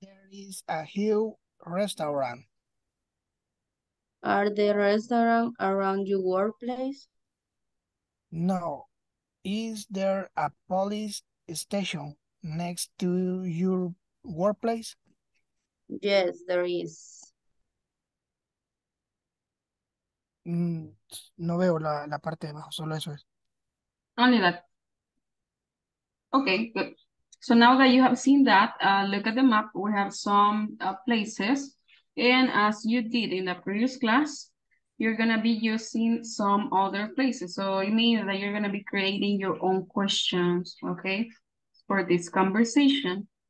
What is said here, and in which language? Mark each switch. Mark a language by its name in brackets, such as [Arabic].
[English] Is a huge restaurant. Are there restaurants around your workplace? No. Is there a police station next to your workplace? Yes, there is. [Spanish] No veo la parte de abajo, solo eso es. [English] Only that. Okay, good. So now that you have seen that, look at the map. We have some places. And as you did in the previous class, you're going to be using some other places. So it means that you're going to be creating your own questions, okay, for this conversation.